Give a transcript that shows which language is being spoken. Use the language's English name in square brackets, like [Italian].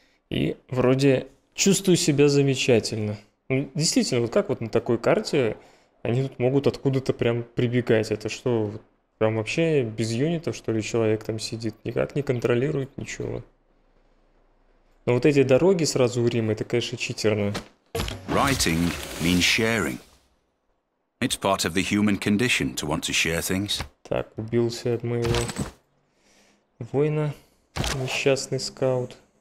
[Russian] И вроде чувствую себя замечательно. Действительно, вот как вот на такой карте они тут могут откуда-то прям прибегать? Это что... Прям вообще без юнитов, что ли, человек там сидит, никак не контролирует ничего. Но вот эти дороги сразу у Рима, это, конечно, читерно. [English] Writing means sharing. It's part of the human condition to want to share things. [Russian] Так, убился от моего воина, несчастный скаут.